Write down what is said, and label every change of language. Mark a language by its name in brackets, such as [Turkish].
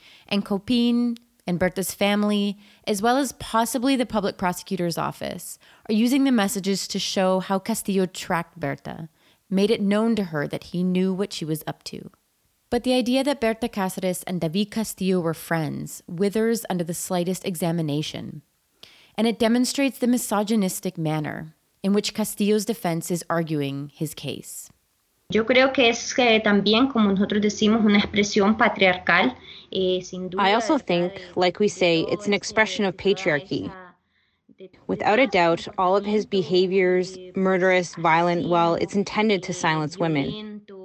[English] And Copin and Berta's family, as well as possibly the public prosecutor's office, are using the messages to show how Castillo tracked Berta, made it known to her that he knew what she was up to. But the idea that Berta Cáceres and David Castillo were friends withers under the slightest examination. And it demonstrates the misogynistic manner in which Castillo's defense is arguing his case. [Spanish] Yo creo que es también, como nosotros decimos, una expresión patriarcal. [English] I also think, like we say, it's an expression of patriarchy. Without a doubt, all of his behaviors, murderous, violent, well, it's intended to silence women.